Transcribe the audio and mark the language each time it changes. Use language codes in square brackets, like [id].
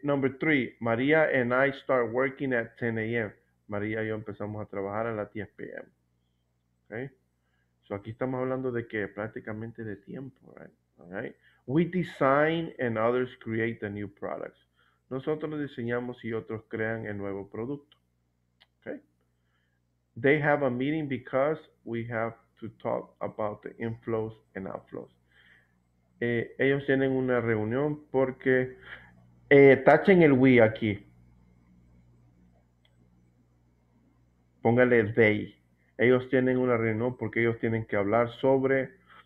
[en] Number three, María and I start working at 10 a.m. [es] María y yo empezamos a trabajar a las 10 p.m. Okay. So aquí estamos hablando de que prácticamente de tiempo. [en] Right? Okay. We design and others create the new products. [es] Nosotros diseñamos y otros crean el nuevo producto. [en] Okay. They have a meeting because we have to talk about the inflows and outflows. [es] Ellos tienen una reunión porque tachen el we aquí. Póngale they. Ellos tienen una reunión porque ellos tienen que hablar sobre.